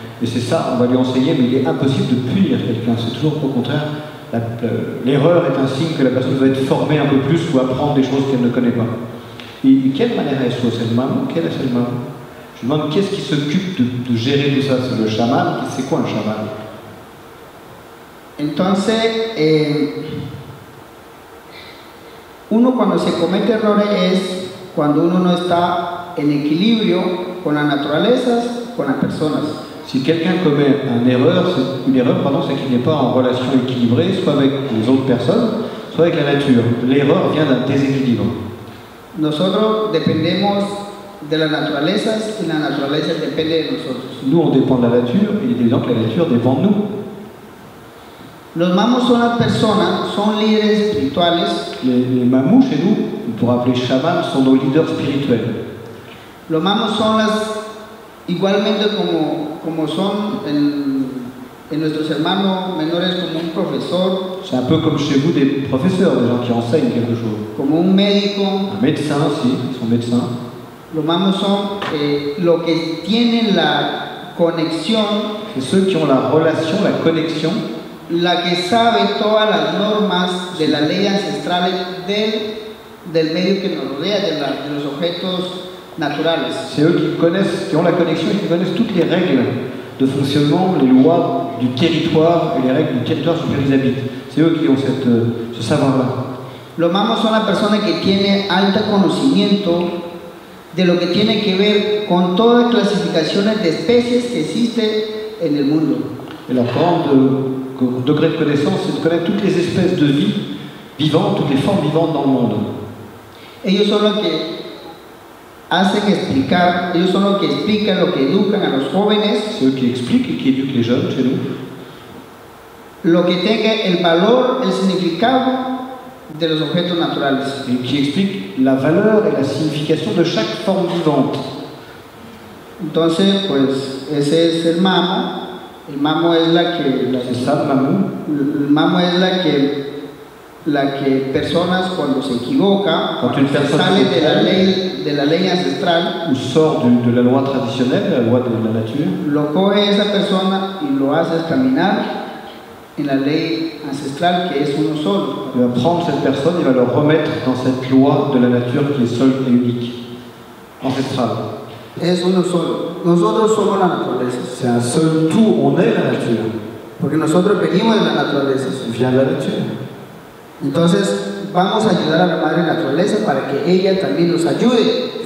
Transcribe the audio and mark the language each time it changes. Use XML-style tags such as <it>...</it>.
<fr>Et c'est ça, on va lui enseigner, mais il est impossible de punir quelqu'un. C'est toujours au contraire, l'erreur est un signe que la personne veut être formée un peu plus ou apprendre des choses qu'elle ne connaît pas. Et quelle manière est-ce que c'est le maman? Quelle est-ce le maman? Je me demande qu'est-ce qui s'occupe de gérer tout ça, c'est le chaman. C'est quoi un chaman?</fr> <es>Entonces, uno cuando se comete errores es cuando uno no está en equilibrio con las naturalezas, con las personas.</es> <fr>Si quelqu'un commet une erreur, c'est qu'il n'est pas en relation équilibrée, soit avec les autres personnes, soit avec la nature. L'erreur vient d'un déséquilibre.</fr> <es>Nosotros dependemos de las naturalezas y la naturaleza depende de nosotros.</es> <fr>Nous on dépend de la nature et il est évident que la nature dépend de nous.</fr> <es>Los mamus son las personas, son líderes espirituales.</es> <fr>Les mamus chez nous, on pourrait appeler chamans, sont nos leaders spirituels.</fr> <es>Los mamus son las igualmente como son en nuestros hermanos menores como un profesor.</es> <fr>C'est un peu comme chez vous des professeurs, des gens qui enseignent quelque chose.</fr> <es>Como un médico.</es> <fr>Un médecin aussi, ils sont médecins.</fr> <es>Los mamus son lo que tienen la conexión.</es> <fr>C'est ceux qui ont la relation, la conexión.</fr> <es>La que sabe todas las normas de las leyes ancestrales del medio que nos rodea, de los objetos naturales.</es> <fr>C'est eux qui connaissent, qui ont la conexión y qui connaissent toutes les règles de fonctionnement, les lois du territoire et les règles du territoire sur lequel ils habitent. C'est eux qui ont ce savoir-là.</fr> <es>Los mamus son las personas que tienen alto conocimiento de lo que tiene que ver con todas las clasificaciones de especies que existen en el mundo.</es> <fr>Et leur grand degré de connaissance, c'est de connaître toutes les espèces de vie vivantes, toutes les formes vivantes dans le monde.</fr> <es>Ellos son los que hacen explicar, ellos son los que explican lo que educan a los jóvenes.</es> <fr>C'est eux qui expliquent et qui éduquent les jeunes chez nous.</fr> <es>Lo que tenga el valor, el significado de los objetos naturales.</es> <fr>Et qui explique la valeur et la signification de chaque forme vivante.</fr> <es>Entonces, pues, ese es el mamo. El mamo es la que personas cuando se equivoca, cuando una persona sale de la ley ancestral,</es> <fr>o sort de la loi traditionnelle, la loi de la nature,</fr> <es>lo coge esa persona y lo hace caminar en la ley ancestral que es uno solo.</es> <fr>Il va prendre cette personne, il va le remettre dans cette loi de la nature qui est seule et unique, ancestrale.</fr> <es>Es uno solo. Nosotros somos la naturaleza.</es> <fr>C'est un seul tout, on est la nature.</fr> <es>Porque nosotros venimos de la naturaleza.</es> <fr>On vient de la nature.</fr> <es>Entonces, vamos a ayudar a la madre naturaleza para que ella también nos ayude.</es>